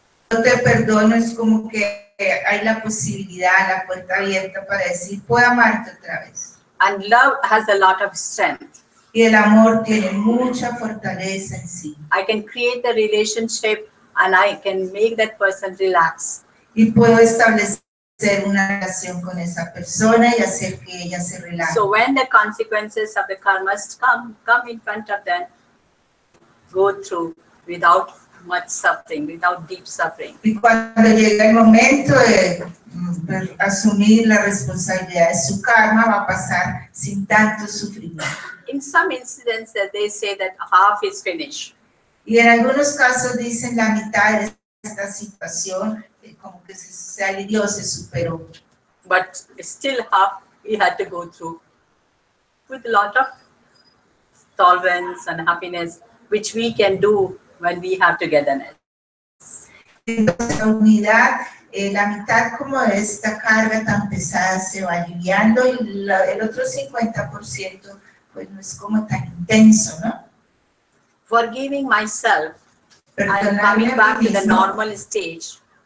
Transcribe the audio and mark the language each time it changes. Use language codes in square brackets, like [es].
[es] Yo te perdono, es como que hay la posibilidad, la puerta abierta para decir, puedo amarte otra vez. [en] And love has a lot of strength. [es] Y el amor tiene mucha fortaleza en sí. [en] I can create the relationship and I can make that person relax. [es] Y puedo establecer una relación con esa persona y hacer que ella se relaje. [en] So when the consequences of the karmas come in front of them, go through without much suffering, without deep suffering. [es] Y cuando llega el momento de asumir la responsabilidad de su karma, va a pasar sin tanto sufrimiento. [en] In some incidents that they say that half is finished. [es] Y en algunos casos dicen la mitad de esta situación, como que se alivió, se superó. [en] But still half we had to go through with a lot of tolerance and happiness, which we can do when we have togetherness. [es] Y nuestra unidad, la mitad como de esta carga tan pesada se va aliviando y el otro 50% pues no es como tan intenso, ¿no? [en] Forgiving myself, coming back to the normal stage.